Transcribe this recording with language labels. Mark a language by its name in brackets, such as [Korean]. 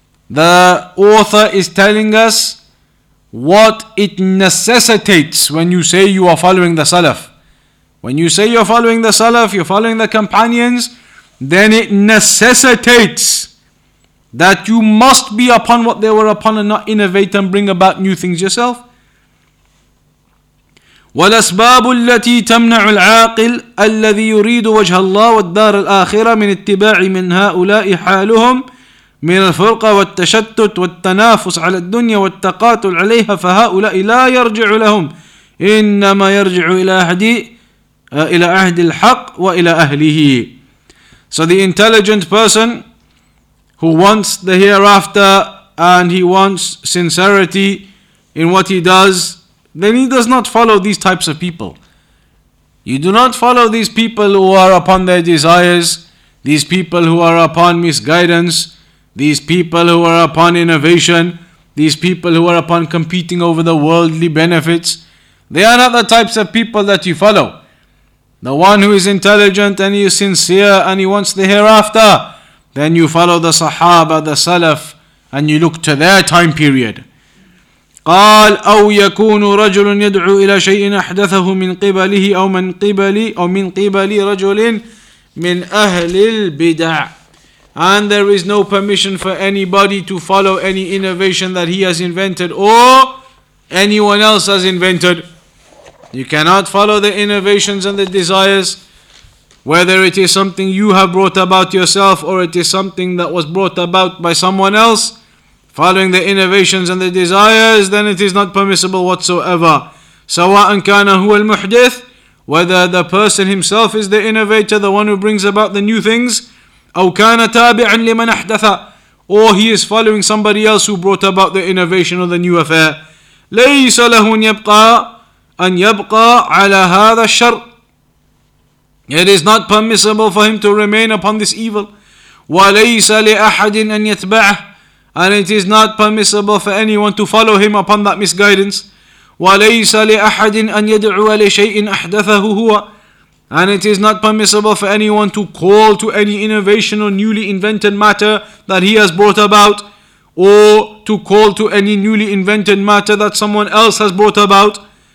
[English] The author is telling us what it necessitates when you say you are following the Salaf. When you say you're following the Salaf, you're following the companions, then it necessitates that you must be upon what they were upon and not innovate and bring about new things yourself. [Arabic] وَالْأَسْبَابُ الَّتِي تَمْنَعُ الْعَاقِلَ الَّذِي يُرِيدُ وَجْهَ اللَّهِ وَالدَّارَ الْآخِرَةِ مِنْ اتِّبَاعِ مِنْ هَؤُلَاءِ حَالُهُمْ من الفرقة والتشتت والتنافس على الدنيا والتقاتل عليها فهؤلاء لا يرجع لهم إنما يرجع إلى أهد الحق وإلى أهله. [English] So the intelligent person who wants the hereafter and he wants sincerity in what he does, then he does not follow these types of people. You do not follow these people who are upon their desires, these people who are upon misguidance, these people who are upon innovation, these people who are upon competing over the worldly benefits, they are not the types of people that you follow. The one who is intelligent and he is sincere and he wants the hereafter, then you follow the Sahaba, the Salaf, and you look to their time period. [Arabic] قال أو يكون رجل يدعو إلى شيء أحدثه من قبله أو من قبلي أو من قبلي رجل من أهل البدع. [English] And there is no permission for anybody to follow any innovation that he has invented or anyone else has invented. You cannot follow the innovations and the desires, whether it is something you have brought about yourself or it is something that was brought about by someone else. Following the innovations and the desires, then it is not permissible whatsoever. [Arabic] سَوَاءً كَانَ هُوَ الْمُحْدِثِ, [English] whether the person himself is the innovator, the one who brings about the new things, [Arabic] أو كان تابعا لمن أحدث, [English] or he is following somebody else who brought about the innovation or the new affair. [Arabic] ليس له أن يبقى على هذا الشر. [English] It is not permissible for him to remain upon this evil. [Arabic] وليس لأحد أن يتبعه, [English] and it is not permissible for anyone to follow him upon that misguidance. [Arabic] وليس لأحد أن يدعو لشيء أحدثه هو, [English] and it is not permissible for anyone to call to any innovation or newly invented matter that he has brought about, or to call to any newly invented matter that someone else has brought about.